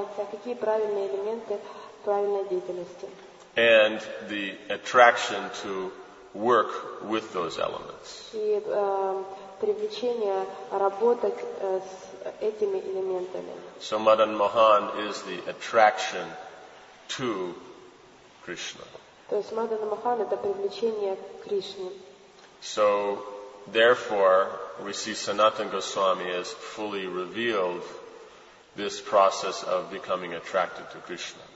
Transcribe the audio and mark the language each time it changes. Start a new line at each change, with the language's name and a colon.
Russian: Какие правильные элементы правильной деятельности.
English: And the attraction to work with those elements.
Russian: И привлечение работать с этими элементами.
English: So Madan Mohan is the attraction to Krishna.
Russian: То есть Мадана Мохан это привлечение к Кришне.
English: So therefore we see Sanatana Goswami as fully revealed this process of becoming attracted to Krishna.